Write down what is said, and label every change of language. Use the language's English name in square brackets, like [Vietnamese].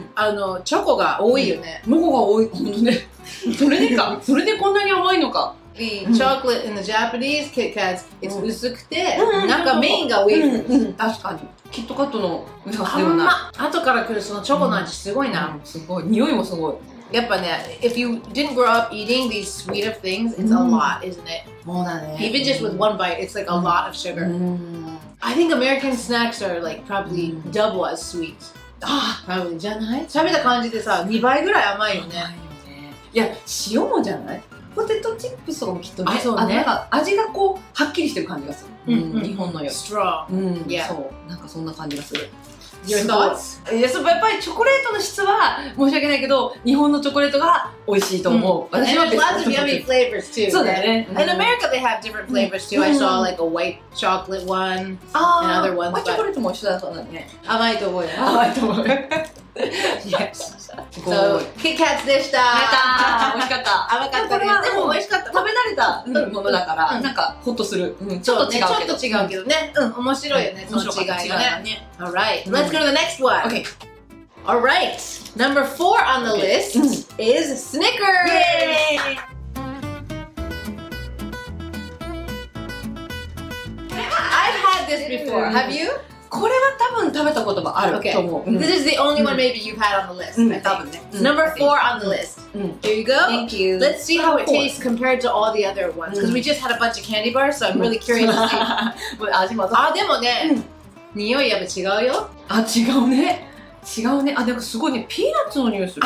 [Japanese] あの、チョコが多いよね、チョコが多い、ほんとねそれでか、それでこんなに甘いのか、 [English] The chocolate in the Japanese Kit Kats is [Japanese] 薄くて、なんかメインがウェイフルス。確かに。キットカットのウェイフルスではない。あんま、後から来るそのチョコの味すごいな。うん、すごい。匂いもすごい。やっぱね、 [English] if you didn't grow up eating these sweet of things, it's a lot, isn't it? [Japanese] もうだね。 [English] Even just with one bite, it's like a lot of sugar. I think American snacks are like probably double as sweet. [Japanese] ああ、多分じゃない？食べた感じでさ、2倍ぐらい甘いよね。甘いよね。いや、塩もじゃない？ポテトチップスとかもきっとね、そうね、あ、なんか味がこうはっきりしてる感じがする、うんうん、日本のよ、ストロー、うん、 [English] yeah. [Japanese] そう、なんかそんな感じがする。 [English] Your thoughts? [Japanese] やっぱりチョコレートの質は申し訳ないけど日本のチョコレートが美味しいと思う、うん、私は別に。 [English] And lots of yummy flavors too. [Japanese] そうだね、う [English] ん、In America they have different flavors too、うん、I saw like a white chocolate one、 [Japanese] うん、 [English] and other ones、 [Japanese] あ、チョコレートも一緒だそうだね、甘いと思うよ、甘いと思う [English] Yes. So, Kit Kats でした。 [Japanese] やったー。美味しかった。甘かったです。でも美味しかった。食べ慣れたものだから、うん、なんかホッとする、うん。ちょっと違うけど。ちょっと違うけどね。うん、うん、面白いよね、はい、その違いがね。 [English] ね、Alright,、うん、let's go to the next one. Okay. Alright, number four on the list、うん、is Snickers! Yay! I've had this before, have you? [Japanese] これは多分食べたこともあると思う、う [English] ん、This is the only one maybe you've had on the list、 [Japanese] うん、多分ね、うん、 [English] Number four on the list、 [Japanese] うん、 [English] Here you go Thank you Let's see how it tastes compared to all the other ones Because、うん、we just had a bunch of candy bars So I'm really curious to see [Japanese] 味もあ、でもね、うん、匂いやっぱ違うよ。あ、違うね、違うね。あ、なんかすごいね、ピーナッツの匂いする。